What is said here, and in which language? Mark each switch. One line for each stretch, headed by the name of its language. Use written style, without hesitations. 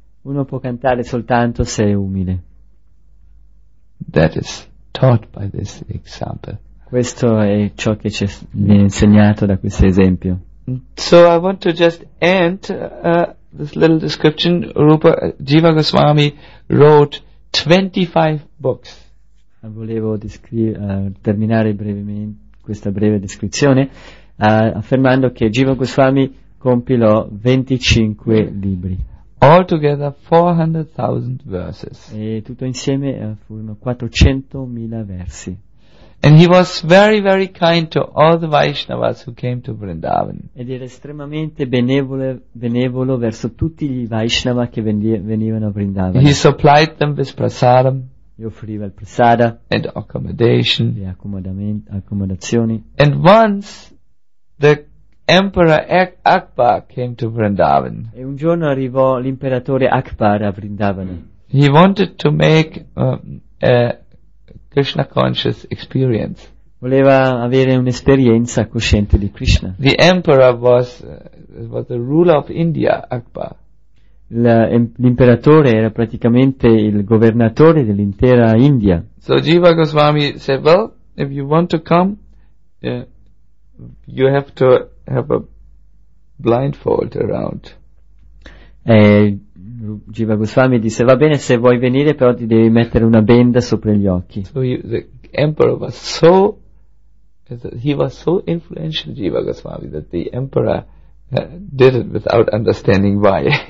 Italian: Uno può cantare soltanto se è umile.
English: That is taught by this example.
Italian: Questo è ciò che ci viene insegnato da questo esempio.
English: So I want to just end this little description. Rupa Jiva Goswami wrote 25 books.
Italian: Volevo terminare brevemente questa breve descrizione affermando che Jiva Goswami compilò 25 libri.
English: All together 400,000 verses.
Italian: E tutto insieme furono 400,000 versi.
English: And he was very, very kind to all the Vaishnavas who came to Vrindavan.
Italian: Ed era estremamente benevolo verso tutti gli Vaishnava che venivano a Vrindavan.
English: He supplied them with prasadam.
Italian: Gli offriva il prasada.
English: And accommodation.
Italian: E accomodazioni.
English: And once the Emperor Akbar came to Vrindavan.
Italian: E un giorno arrivò l'imperatore Akbar a Vrindavan.
English: He wanted to make a Krishna conscious experience.
Italian: Voleva avere un'esperienza cosciente di Krishna.
English: The emperor was the ruler of India, Akbar.
Italian: L'imperatore era praticamente il governatore dell'intera India.
English: So Jiva Goswami said, "Well, if you want to come, you have to have a blindfold around."
Italian: Jiva Goswami disse: "Va bene se vuoi venire, però ti devi mettere una benda sopra gli occhi."
English: So the emperor was so, he was so influential, Jiva Goswami, that the emperor did it without understanding why.